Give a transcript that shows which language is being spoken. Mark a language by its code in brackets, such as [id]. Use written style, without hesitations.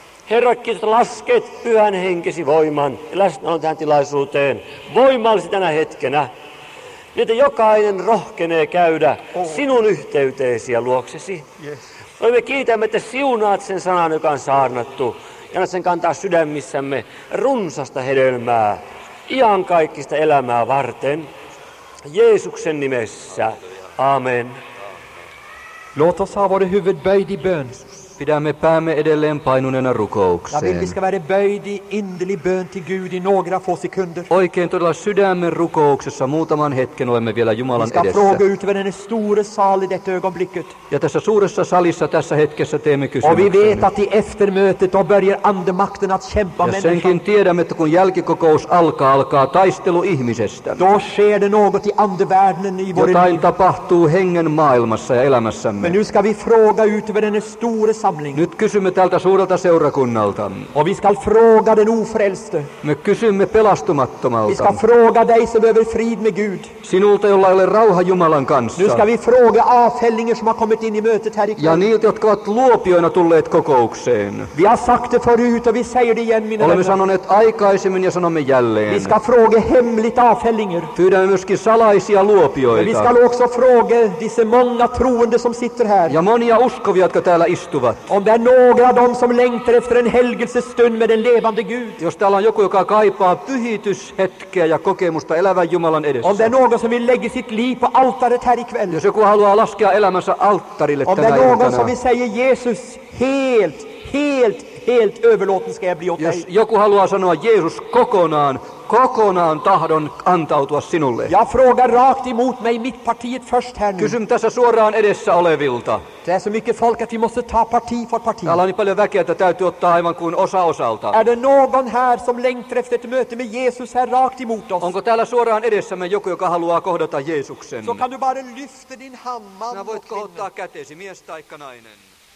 [fi] Herra, kiitos, lasket pyhän henkesi voiman ja läsnäolon tähän tilaisuuteen voimallisesti tänä hetkenä, niin että jokainen rohkenee käydä sinun yhteyteesi ja luoksesi. Yes. Me kiitämme, että siunaat sen sanan, joka on saarnattu, ja annat sen kantaa sydämissämme runsasta hedelmää. Ihan kaikista elämää varten, Jeesuksen nimessä, amen. [sv] Låt oss ha våra huvud böjd i bön. [fi] Pidämme päämme edelleen painuneena rukoukseen. [sv] Jag vill vi ska vara böjd i innerlig bön till Gud i några få sekunder. [fi] Oikein todella sydämen rukouksessa muutaman hetken olemme vielä Jumalan edessä. [sv] Vi ska fråga ut över den stora salen i detta ögonblicket. [fi] Ja tässä suuressa salissa tässä hetkessä teemme kysymyksen. [sv] Och vi vet att i eftermötet och börjar andemakten att kämpa människan. [fi] Ja senkin tiedämme, että kun jälkikokous alkaa, alkaa taistelu ihmisestä. [sv] Då sker det något i andevärlden i vår liv. [fi] Jotain tapahtuu hengen maailmassa ja elämässämme. [sv] Men nu ska vi fråga ut över den stora. [fi] Nyt kysymme tältä suurelta seurakunnalta. [sv] Och vi ska fråga den ofrälste. [fi] Me kysymme pelastumattomalta. [sv] Vi ska fråga dig som behöver frid med Gud. [fi] Sinulta, jolla ei ole rauha Jumalan kanssa. [sv] Nu ska vi fråga avfällingen som har kommit in i mötet här i kväll. [fi] Ja niiltä, jotka ovat luopioina tulleet kokoukseen. [sv] Vi har sagt det förut och vi säger det igen, mina vänner. [fi] Olemme sanoneet aikaisemmin ja sanomme jälleen. [sv] Vi ska fråga hemligt avfällingen. [fi] Pyydämme myöskin salaisia luopioita. [sv] Vi ska också fråga disse många troende som sitter här. [fi] Ja monia uskovia, jotka täällä istuvat. [sv] Om det är några av dem som längtar efter en helgelsestund med den levande Gud. [fi] Jos täällä on joku, joka kaipaa pyhityshetkeä ja kokemusta elävän Jumalan edessä. [sv] Om det är någon som vill lägga sitt liv på altaret här ikväll. [fi] Jos joku haluaa laskea elämänsä alttarille tänä iltana. [sv] Om det är någon som vill säga Jesus helt, helt, helt överlåten ska jag bli åt dig. [fi] Jos joku haluaa sanoa Jeesus kokonaan. Kokonaan tahdon antautua sinulle. [sv] Jag frågar rakt emot mig mitt partiet först här nu. [fi] Kysyn tässä suoraan edessä olevilta. [sv] Det är så mycket folk att vi måste ta parti för parti. [fi] Täällä on niin paljon väkeä, että täytyy ottaa aivan kuin osa osalta. [sv] Är det någon här som längtar efter ett möte med Jesus här rakt emot oss? [fi] Onko täällä suoraan edessämme joku, joka haluaa kohdata Jeesuksen? [sv] Så kan du bara lyfta din hand, man. [fi] Sinä voit kohottaa kätesi, mies taikka nainen.